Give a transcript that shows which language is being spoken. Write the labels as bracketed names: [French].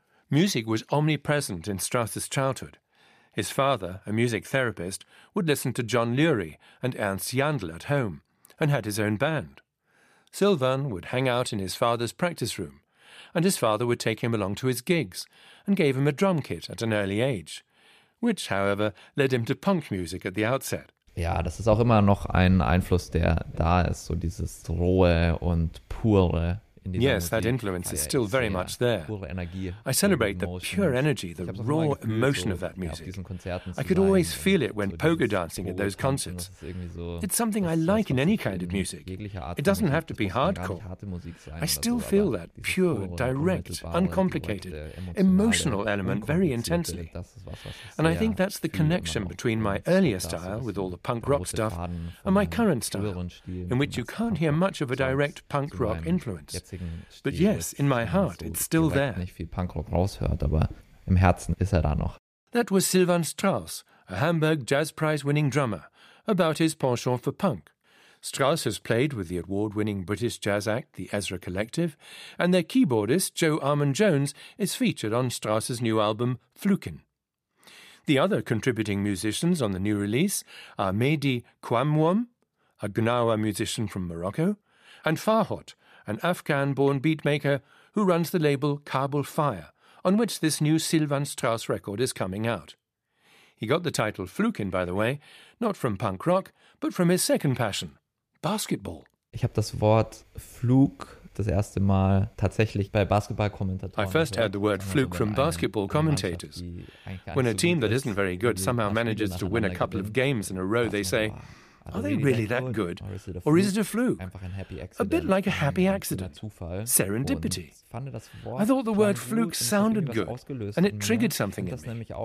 [English] Music was omnipresent in Strauss's childhood. His father, a music therapist, would listen to John Lurie and Ernst Jandl at home, and had his own band. Sylvain would hang out in his father's practice room, and his father would take him along to his gigs and gave him a drum kit at an early age, which, however, led him to punk music at the outset. [German] Ja, das ist auch immer noch ein Einfluss, der da ist, so dieses rohe und pure. [English] Yes, that influence is still very much there. I celebrate the pure energy, the raw emotion of that music. I could always feel it when pogo dancing at those concerts. It's something I like in any kind of music. It doesn't have to be hardcore. I still feel that pure, direct, uncomplicated, emotional element very intensely. And I think that's the connection between my earlier style with all the punk rock stuff and my current style, in which you can't hear much of a direct punk rock influence. But yes, in my heart, it's still there. [German] Nicht viel Punkrock raushört, aber im Herzen ist da noch. [English] That was Sylvain Strauss, a Hamburg Jazz Prize-winning drummer, about his penchant for punk. Strauss has played with the award-winning British jazz act, the Ezra Collective, and their keyboardist, Joe Armon-Jones, is featured on Strauss's new album, Fluken. The other contributing musicians on the new release are Mehdi Kouamouam, a Gnawa musician from Morocco, and Farhot, an Afghan-born beatmaker who runs the label Kabul Fire, on which this new Sylvain Strauss record is coming out. He got the title Fluken, by the way, not from punk rock, but from his second passion, basketball. [German] Ich habe das Wort Flug das erste Mal tatsächlich bei Basketball-Kommentatoren. [English] I first heard the word fluke from basketball commentators. When a team that isn't very good somehow manages to win a couple of games in a row, they say, are they really that good? Or is it a fluke? A bit like a happy accident. Serendipity. I thought the word fluke sounded good, and it triggered something in me.